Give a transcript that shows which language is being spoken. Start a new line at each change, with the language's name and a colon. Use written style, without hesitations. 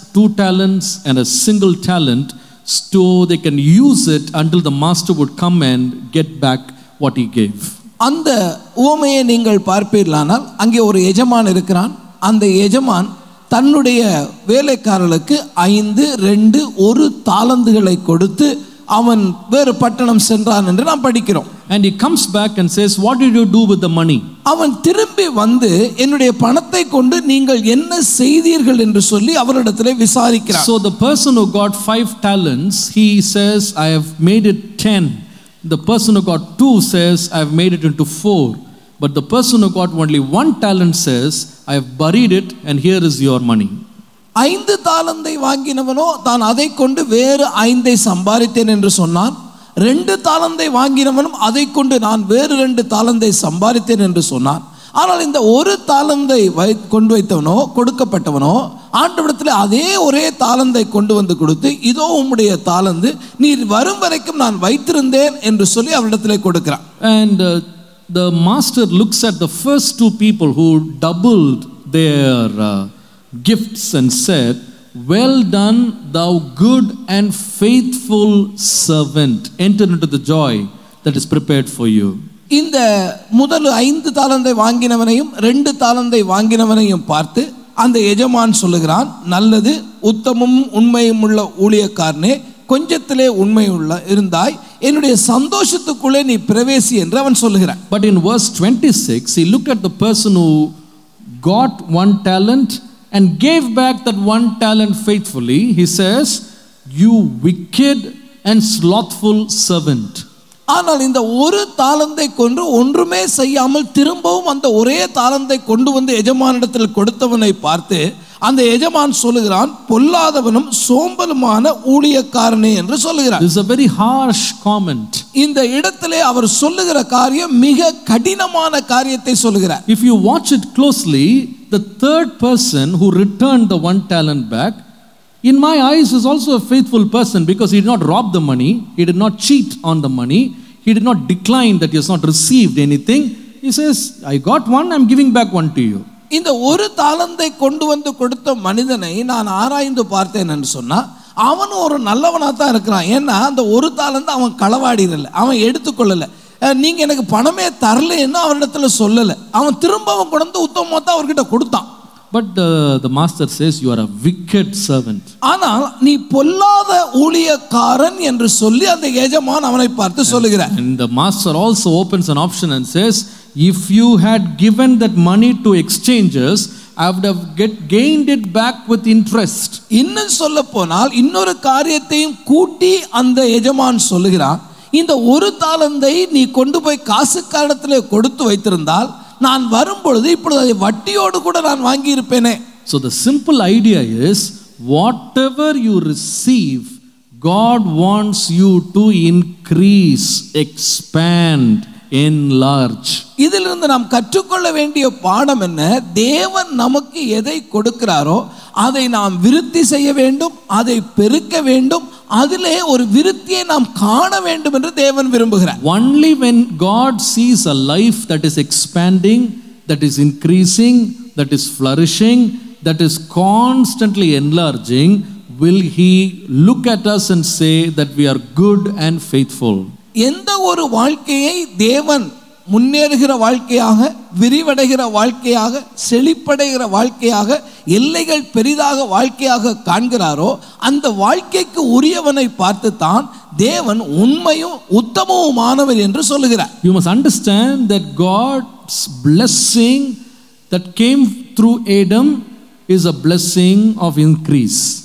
Tamil: ஆண்டவராய் இயேசு மத்தேயுடைய சுவிசேஷம் ஐந்தாம் அதிகாரம் 25 மன்னிங்கள் மத்தேயு 25 ஐந்தாம் அதிகாரம் 9வது வசனத்தில் இருந்து ஒரு உவமையை அங்கே சொல்லுகிறார்.
English: You know, from verse 19, if you read that parables states about how three people were given three portions of the master's goods, namely five talents, two talents, and a single talent. So they can use it until the master would come and get back what he gave.
Tamil: அந்த உவமையை நீங்கள் பார்ப்பீர்களானால் அங்கே ஒரு எஜமான் இருக்கிறான். அந்த எஜமான் தன்னுடைய வேலைக்காரர்களுக்கு 5, 2, 1 தாலந்துகளை கொடுத்து அவன் வேறு பட்டணம் சென்றான் என்று நாம் படிக்கிறோம்.
English: And he comes back and says, What did you do with the money?
Tamil: அவன் திரும்பி வந்து என்னுடைய பணத்தை கொண்டு நீங்கள் என்ன செய்தீர்கள் என்று சொல்லி அவரிடத்தில் விசாரிக்கிறார்.
English: So the person who got 5 talents, he says, I have made it 10. The person who got 2 says, I have made it into 4. But the person who got only 1 talent says, I have buried it and here is your money.
Tamil: 5 தாலந்தை வாங்கினவனோ தான் அதை கொண்டு வேறு 5 சம்பாதித்தேன் என்று சொன்னான். 2 தாலந்தை வாங்கினவனும் அதை கொண்டு நான் வேறு 2 தாலந்தை சம்பாதித்தேன் என்று சொன்னான். ஆனால் இந்த 1 தாலந்தை கொண்டு வைத்தவனோ கொடுக்கப்பட்டவனோ ஆண்டவரிடத்தில் அதே ஒரே தாலந்தை கொண்டு வந்து கொடுத்து, இதோ உம்முடைய தாலந்து, நீர் வரும் வரைக்கும் நான் வைத்திருந்தேன் என்று சொல்லி அவரிடத்தில் கொடுக்கிறான்.
English: And the master looks at the first two people who doubled their gifts and said, Well done, thou good and faithful servant. Enter into the joy that is prepared for you.
Tamil: இந்த முதல் 5 தாலந்தை வாங்கினவனையும் 2 தாலந்தை வாங்கினவனையும் பார்த்து அந்த எஜமான் சொல்லுகிறான், நல்லது, உத்தமமும் உண்மையும் உள்ள ஊழியக்காரனே, கொஞ்சத்திலே உண்மை உள்ள இருந்தாய், என்னுடைய சந்தோஷத்துக்குள்ளே நீ பிரவேசி என்று அவன் சொல்லுகிறான்.
English: But in verse 26, he looked at the person who got 1 talent and gave back that 1 talent faithfully. He says, you wicked and slothful servant.
Tamil: ஆனால் இந்த ஒரு தாலந்தை கொண்டு ஒன்றுமே செய்யாமல் திரும்பவும் அந்த ஒரே தாலந்தை கொண்டு வந்து எஜமானிடத்தில் கொடுத்தவனை பார்த்து அந்த எஜமான் சொல்லுகிறான், பொல்லாதவனும் சோம்பலுமான ஊழியக்காரனே என்று சொல்லுகிறான்.
English: This is a very harsh comment.
Tamil: இந்த இடத்திலே அவர் சொல்லுகிற காரியம் மிக கடினமான காரியத்தை சொல்லுகிறார்.
English: If you watch it closely, the third person who returned the 1 talent back, in my eyes, is also a faithful person because he did not rob the money, he did not cheat on the money, he did not decline that he has not received anything. He says, I got 1, I'm giving back 1 to you.
Tamil: இந்த ஒரு தாலந்தை கொண்டு வந்து கொடுத்த மனிதனை நான் ஆராய்ந்து பார்த்தேன் என்று சொன்னா அவன் ஒரு நல்லவனா தான் இருக்கிறான். ஏன்னா அந்த ஒரு தாலந்து அவன் களவாடிடல, அவன் எடுத்துக்கொள்ளல, நீங்க எனக்கு பணமே தரலன்னு அவனிடத்துல சொல்லல, அவன் திரும்ப அவன் கொண்டு உத்தமமா தான் அவர்கிட்ட கொடுத்தான்.
English: But the master says, you are a wicked servant.
Tamil: ஆனால் நீ பொல்லாத ஊழியக்காரன் என்று சொல்லி அந்த எஜமான் அவனை பார்த்து சொல்கிறார்.
English: And the master also opens an option and says, if you had given that money to exchangers, I would have gained it back with interest.
Tamil: இன்னும் சொல்ல போனால் இன்னொரு காரியத்தையும் கூட்டி அந்த எஜமான் சொல்கிறான், இந்த ஒரு தாளந்தை நீ கொண்டு போய் காசுக்காரத்தில் கொடுத்து வைத்திருந்தால் நான் வரும்பொழுது இப்பொழுது அதை வட்டியோடு கூட நான் வாங்கியிருப்பேனே.
English: So the simple idea is, whatever you receive, God wants you to increase, expand, enlarge.
Tamil: இதிலிருந்து நாம் கற்றுக்கொள்ள வேண்டிய பாடம் என்ன? தேவன் நமக்கு எதை கொடுக்கிறாரோ அதை நாம் விருத்தி செய்ய வேண்டும், அதை பெருக்க வேண்டும், அதிலே ஒரு விருத்தியை நாம் காண வேண்டும் என்று தேவன் விரும்புகிறார்.
English: Only when God sees a life that is expanding, that is increasing, that is flourishing, that is constantly enlarging, will he look at us and say that we are good and faithful.
Tamil: எந்த ஒரு வாழ்க்கையை தேவன் முன்னேறுகிற வாழ்க்கையாக, விரிவடைகிற வாழ்க்கையாக, செழிப்படைகிற வாழ்க்கையாக, எல்லைகள் பெரிதாக வாழ்க்கையாக காண்கிறாரோ அந்த வாழ்க்கைக்கு உரியவனை பார்த்துத்தான் தேவன் உண்மையும் உத்தமவுமானவர் என்று சொல்லுகிறார்.
English: You must understand that God's blessing that came through Adam is a blessing of increase.